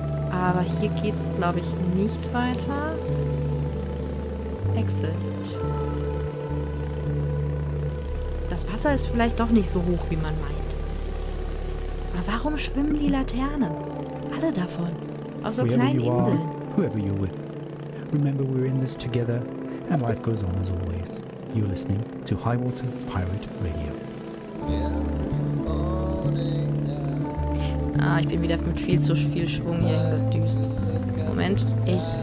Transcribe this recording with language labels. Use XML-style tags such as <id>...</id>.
<de>Aber hier geht es, glaube ich, nicht weiter. Exit. Das Wasser ist vielleicht doch nicht so hoch, wie man meint. Aber warum schwimmen die Laternen? Alle davon. Auf so kleinen Inseln.</de> <en>Whoever you're with. Remember, we're in this together and life goes on as always. You're listening to Highwater Pirate Radio.</en> <de>Ah, ich bin wieder mit viel zu viel Schwung hier gedüst. Moment, ich...</de>